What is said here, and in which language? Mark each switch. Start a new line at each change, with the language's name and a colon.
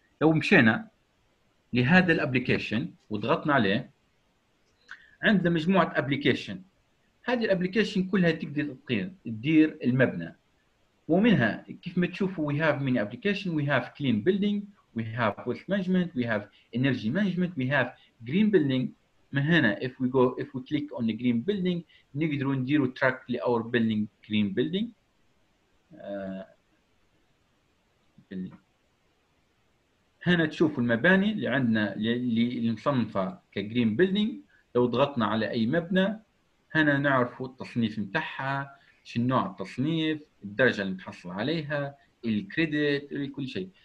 Arabic: لو مشينا لهذا الابليكيشن وضغطنا عليه عندنا مجموعة أبليكيشن. هذه الأبليكيشن كلها تقدر تدير المبنى ومنها كيف ما تشوفوا
English: we have many applications. We have clean building, we have waste management, we have energy management, we have green building.
Arabic: من هنا
English: if we go if we click on the green building
Arabic: نقدر نديروا
English: track ل our building green building.
Arabic: هنا تشوفوا المباني اللي عندنا اللي مصنفة ك green building. لو ضغطنا على أي مبنى هنا نعرف التصنيف متاعها شن نوع التصنيف الدرجة اللي نتحصل عليها الكريدت كل شيء.